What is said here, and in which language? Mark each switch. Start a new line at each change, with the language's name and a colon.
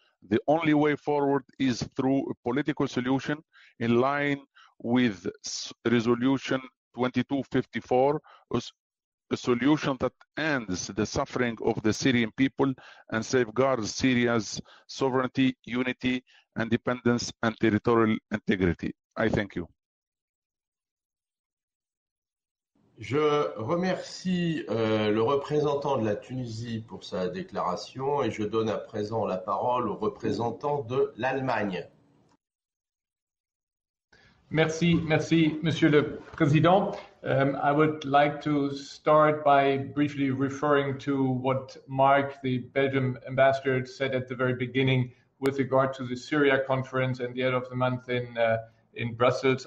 English: The only way forward is through a political solution in line with resolution 2254, a solution that ends the suffering of the Syrian people and safeguards Syria's sovereignty, unity, independence, and territorial integrity. I thank you.
French: Je remercie le représentant de la Tunisie pour sa déclaration et je donne à présent la parole au représentant de l'Allemagne. Merci, Monsieur le Président.
English: I would like to start by briefly referring to what Mark, the Belgium ambassador, said at the very beginning with regard to the Syria conference and the end of the month in Brussels.